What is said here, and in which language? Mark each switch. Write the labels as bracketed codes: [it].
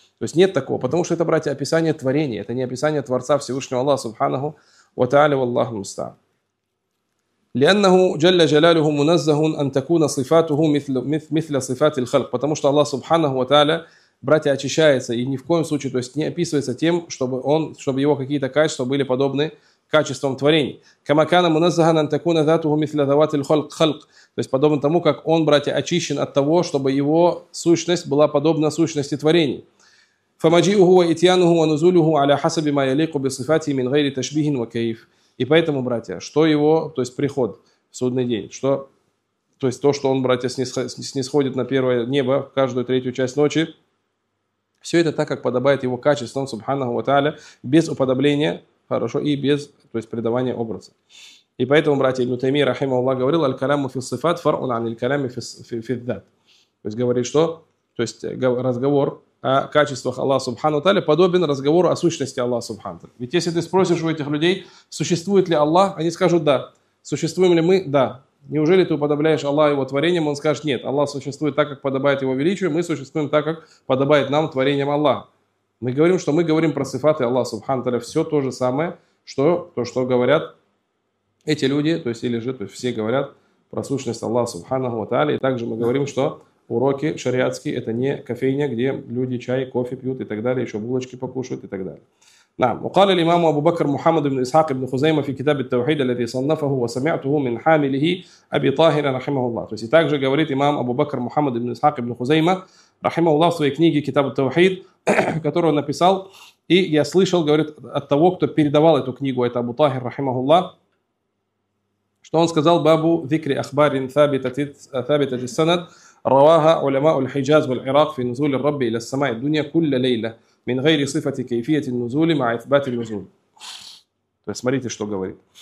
[ru] То есть нет такого, потому что это, братья, описание творения, это не описание Творца Всевышнего Аллаха Субханаху ва тааля валлаху муста. [ar] لأنه جل جلاله منزه أن تكون صفاته مثل صفات الخلق, [ru] потому что Аллах Субханаху ва тааля, братья, очищается и ни в коем случае, то есть не описывается тем, чтобы он, чтобы его какие-то качества были подобны качествам творений. [ar] كما كان منزها أن تكون ذاته مثل ذوات الخلق. [ru] То есть подобно тому, как он, братья, очищен от того, чтобы его сущность была подобна сущности творений. [ar] فمجيئه وإتيانه ونزوله على حسب ما يليق بصفاته من غير تشبيه وكيف. [ru] И поэтому, братья, что его, то есть приход в судный день, что, то есть то, что он, братья, снисходит на первое небо в каждую третью часть ночи, все это так, как подобает его качествам, субханаху ва тааля, без уподобления, хорошо, и без, то есть, предавания образа. И поэтому, братья, Ибн Таймия, рахима Аллах, говорил, [ar] «Аль-каляму фис-сифат фар'ун аль-каляму фис-сифат». [ru] То есть говорит, что, то есть разговор о качествах Аллаха субхану ва тааля подобен разговору о сущности Аллаха субхану ва тааля. Ведь если ты спросишь у этих людей, существует ли Аллах, они скажут «да». Существуем ли мы? Да. Неужели ты уподобляешь Аллаха его творением? Он скажет «нет». Аллах существует так, как подобает его величию, мы существуем так, как подобает нам творением Аллаха. Мы говорим, что мы говорим про сифаты Аллаха субхану ва тааля. Все то же самое, что то, что говорят эти люди, то есть или же, то есть все говорят про сущность Аллаха субхану ва тааля. И также мы говорим, что уроки шариатские – это не кофейня, где люди чай, кофе пьют и так далее, еще булочки покушают и так далее. [ar] نعم وقال الإمام أبو بكر محمد بن إسحاق بن خزيمة في كتاب التوحيد الذي صنفه وسمعته من حامله أبي طاهر رحمه الله. [ru] То есть также говорит имам Абу Бакр Мухаммад ибн Исхак ибн Хузейма رحمه الله в своей книге Китаб ат-Таухид, которую он написал, и я слышал, говорит, от того, кто передавал эту книгу, это Абу Тахир رحمه الله, что он сказал: [ar] бабу викри ахбар ин-сабита ат-санад رواها علماء الحجاز والعراق في نزول الرب الى السماء الدنيا كل ليله من غير صفه كيفيه النزول مع اثبات النزول. [ru] То есть смотрите, что говорит.